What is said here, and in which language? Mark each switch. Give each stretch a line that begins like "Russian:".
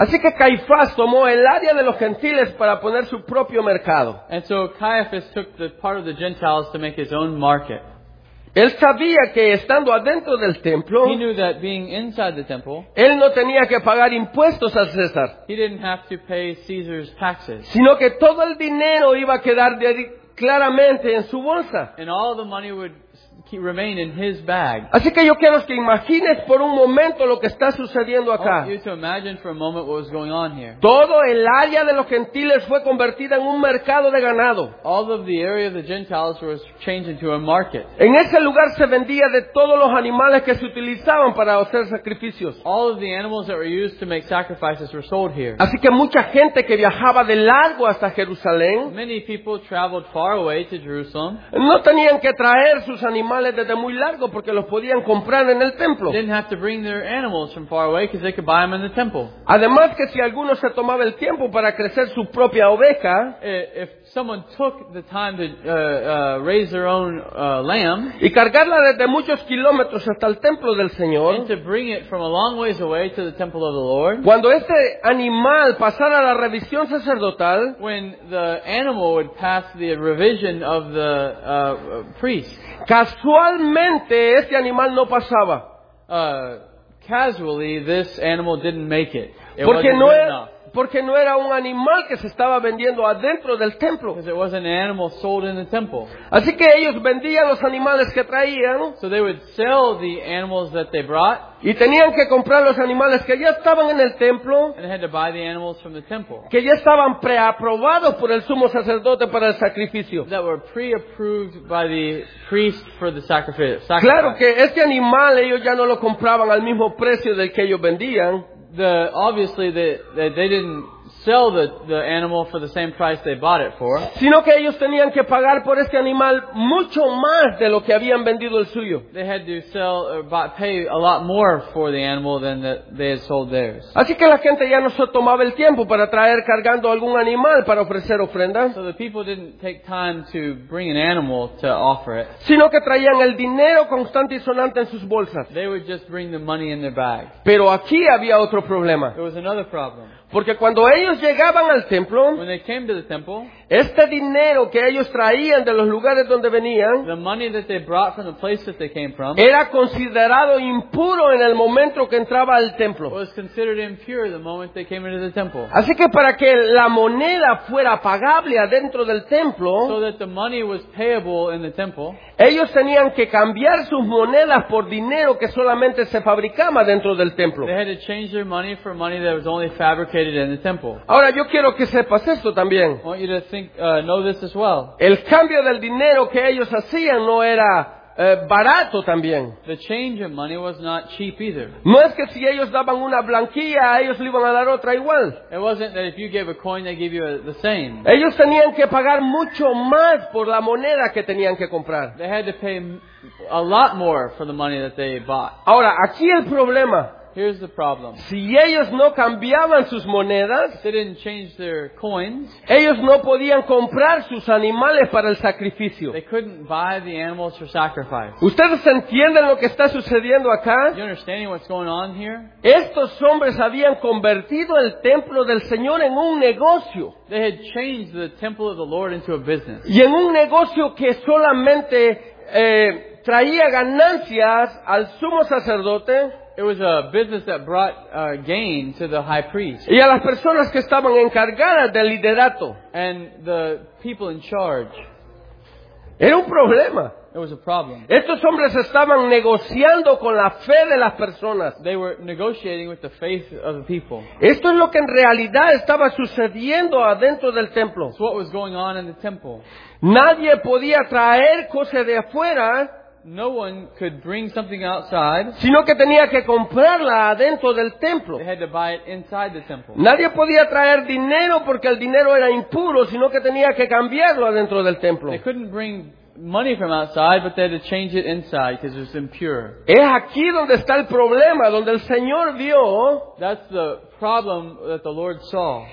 Spanish: Así que Caifás tomó el área de los gentiles para poner su propio mercado.
English: And so Caiaphas took the part of the Gentiles to make his own market.
Spanish: Él sabía que estando adentro del templo,
English: he knew that being inside the temple,
Spanish: él no tenía que pagar impuestos a César,
English: he didn't have to pay Caesar's taxes,
Spanish: sino que todo el dinero iba a quedar claramente en su bolsa.
English: And all the money would remain in his bag.
Spanish: Así que yo quiero que imagines por un momento lo que está sucediendo acá.
English: I want you to imagine for a moment what was going on here.
Spanish: Todo el área de los gentiles fue convertida en un mercado de ganado.
English: All of the area of the Gentiles was changed into a market.
Spanish: En ese lugar se vendía de todos los animales que se utilizaban para hacer sacrificios.
English: All of the animals that were used to make sacrifices were sold here.
Spanish: Así que mucha gente que viajaba de largo hasta Jerusalén,
English: many people traveled far away to Jerusalem,
Spanish: no tenían que traer sus animales desde muy largo porque los podían comprar en el templo.
English: They didn't have to bring their animals from far away because they could buy them in the temple.
Spanish: Además que si alguno se tomaba el tiempo para crecer su propia oveja,
English: if someone took the time to raise their own lamb,
Spanish: y cargarla desde muchos kilómetros hasta el templo del Señor,
English: and to bring it from a long ways away to the temple of the Lord,
Spanish: cuando este animal pasara la revisión sacerdotal,
English: when the animal would pass the revision of the priest,
Spanish: casualmente este animal no pasaba.
English: Casually, this animal didn't make it.
Spanish: Porque no era un animal que se estaba vendiendo adentro del templo.
English: Because it wasn't an animal sold in the temple.
Spanish: Así que ellos vendían los animales que traían.
English: So they would sell the animals that they brought.
Spanish: Y tenían que comprar los animales que ya estaban en el templo.
English: And they had to buy the animals from the temple.
Spanish: Que ya estaban preaprobados por el sumo sacerdote para el sacrificio.
English: That were pre-approved by the priest for the sacrifice.
Spanish: Claro que este animal ellos ya no lo compraban al mismo precio del que ellos vendían.
English: Obviously, they didn't sell the animal for the same price they bought it for.
Spanish: Sino que ellos tenían que pagar por este animal mucho más de lo que habían vendido el suyo.
English: They had to sell or pay a lot more for the animal than that they had sold theirs.
Spanish: Así que la gente ya no se tomaba el tiempo para traer cargando algún animal para ofrecer ofrenda.
English: So the people didn't take time to bring an animal to offer it.
Spanish: Sino que traían el dinero constante y sonante en sus bolsas.
English: They would just bring the money in their bag.
Spanish: Pero aquí había otro problema.
English: There was another problem.
Spanish: Porque cuando ellos llegaban al templo,
English: when they came to the temple,
Spanish: este dinero que ellos traían de los lugares donde venían,
English: the money that they brought from the place that they came from,
Spanish: era considerado impuro en el momento que entraba al templo.
English: Was considered impure the moment they came into the temple.
Spanish: Así que para que la moneda fuera pagable adentro del templo,
English: so that the money was payable in the temple,
Spanish: ellos tenían que cambiar sus monedas por dinero que solamente se fabricaba dentro del templo.
English: They had to change their money for money that was only fabricated in the temple.
Spanish: Ahora yo quiero que sepas esto también.
English: I want you to think, know this as well.
Spanish: El cambio del dinero que ellos hacían no era barato también.
English: The change in money was not cheap either.
Spanish: No es que si ellos daban una blanquilla, ellos le iban a dar otra igual.
English: It wasn't that if you gave a coin, they gave you the same.
Spanish: Ellos tenían que pagar mucho más por la moneda que tenían que comprar.
English: They had to pay a lot more for the money that they bought.
Spanish: Ahora, aquí el problema.
English: Here's the problem.
Spanish: Si ellos no cambiaban sus monedas,
English: they didn't change their coins,
Spanish: ellos no podían comprar sus animales para el sacrificio.
English: They couldn't buy the animals for sacrifice.
Spanish: ¿Ustedes entienden lo que está sucediendo acá?
English: You understanding what's going on here?
Spanish: Estos hombres habían convertido el templo del Señor en un negocio.
English: They had changed the temple of the Lord into a business.
Spanish: Y en un negocio que solamente traía ganancias al sumo sacerdote.
English: It was a business that brought gain to the high priest.
Spanish: Y a las personas que estaban encargadas del liderato.
English: And the people in charge.
Spanish: Era un problema.
English: There was a problem.
Spanish: Estos hombres estaban negociando con la fe de las personas.
English: They were negotiating with the faith of the people.
Spanish: Esto es lo que en realidad estaba sucediendo adentro del templo.
English: It's what was going on in the temple.
Spanish: Nadie podía traer cosas de afuera.
English: No one could bring something outside,
Spanish: sino que tenía que comprarla adentro del templo.
English: They had to buy it inside the temple.
Spanish: Nadie podía traer dinero porque el dinero era impuro, sino que tenía que cambiarlo adentro del templo.
English: They couldn't bring money from outside, but they had to change it inside because it was impure.
Spanish: Es aquí donde está el problema, donde el Señor vio.
English: That's the problem that the Lord saw.